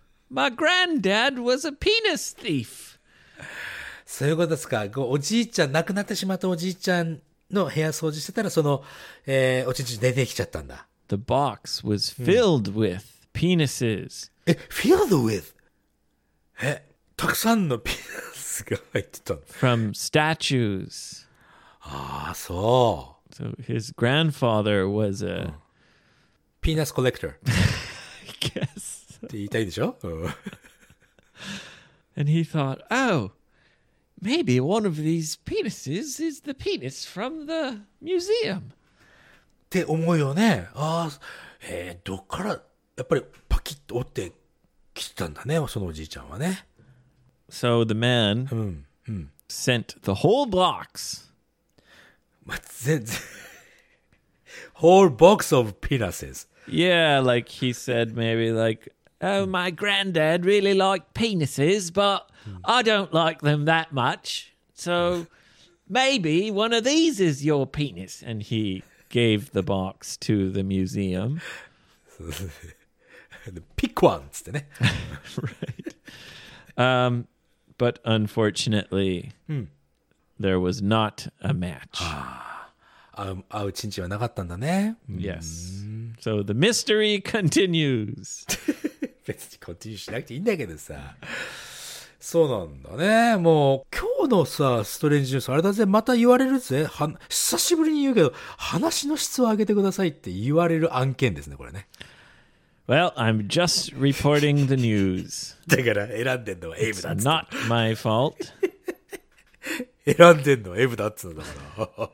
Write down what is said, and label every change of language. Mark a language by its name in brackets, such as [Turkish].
[English] My granddad was a penis thief. [Japanese] そういうことですか。おじいちゃん、亡くなってしまったおじいちゃんの部屋掃除してたら、その、おちんちん出てきちゃったんだ。 [English] The box was filled with penises. Filled with? [Japanese] たくさんのピナスが入ってたの。 [English] From statues. [Japanese] ああ、そう。 [English] So his grandfather was a... [Japanese] ピナスコレクター。 [English] I guess. [Japanese] って言いたいでしょ [English] And he thought, oh, maybe one of these penises is the penis from the museum. [Japanese] って思うよね。ああ、どっからやっぱりパキッと折ってきてたんだね、そのおじいちゃんはね。 [English] So the man sent the whole box. [Japanese] まあ、全然 [English] whole box of penises. Yeah, like he said, maybe like,Oh, my granddad really liked penises, but I don't like them that much. So maybe one of these is your penis. And he gave the box to the museum. Pick one, [Japanese] ってね。 [English] Right. But unfortunately, there was not a match. [Japanese] あうちんちんはなかったんだね。 [English] Yes. So the mystery continues. [Japanese] 別にコンティニューしなくていいんだけどさ、そうなんだね。もう今日のさ、ストレンジニュースあれだぜ、また言われるぜ。久しぶりに言うけど、話の質を上げてくださいって言われる案件ですね、これね。 [English] Well, I'm just reporting the news. [Japanese] だから選んでんのはエイブだっつって。 [English] It's not my fault. [Japanese] 選んでんのはエイブだっつってだから。